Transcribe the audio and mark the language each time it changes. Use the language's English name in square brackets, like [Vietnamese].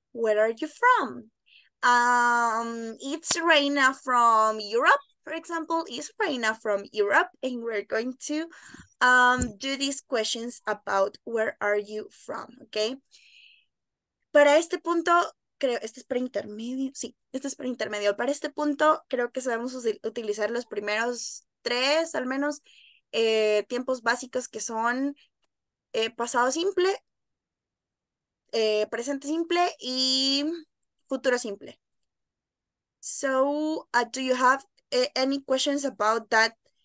[English] Where are you from? It's Reina from Europe, for example. Is Reina from Europe? And we're going to do these questions about where are you from, okay? [Spanish] Para este punto, creo, este es preintermedio, sí, este es preintermedio. Para este punto, creo que sabemos utilizar los primeros tres, al menos, tiempos básicos que son pasado simple, presente simple y futuro simple. [English] So, do you have any questions about that?